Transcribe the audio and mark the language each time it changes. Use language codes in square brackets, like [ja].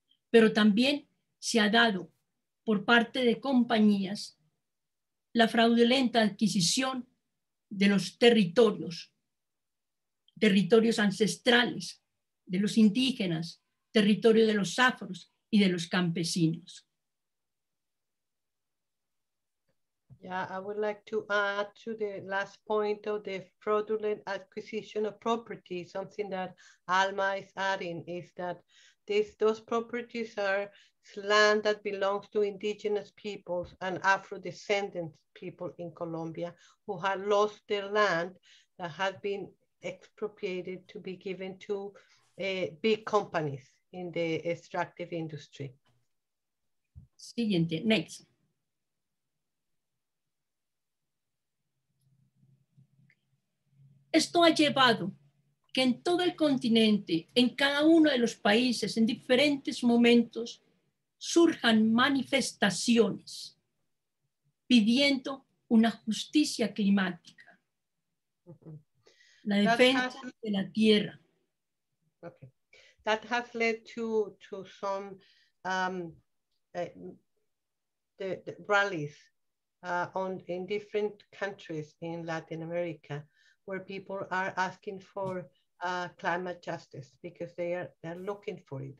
[es] Pero también se ha dado por parte de compañías la fraudulenta adquisición de los territorios ancestrales de los indígenas, territorio de los afros y de los campesinos. [en] Yeah, I would like to add to the last point of the fraudulent acquisition of property. Something that Alma is adding is that those properties are land that belongs to indigenous peoples and Afro-descendant people in Colombia who have lost their land that has been expropriated to be given to big companies in the extractive industry. [es] Siguiente, [en] next. [es] Esto ha llevado que en todo el continente, en cada uno de los países, en diferentes momentos, surjan manifestaciones pidiendo una justicia climática, la defensa de la tierra. [en] Okay. That has led to some the rallies in different countries in Latin America, where people are asking for climate justice because they're looking for it.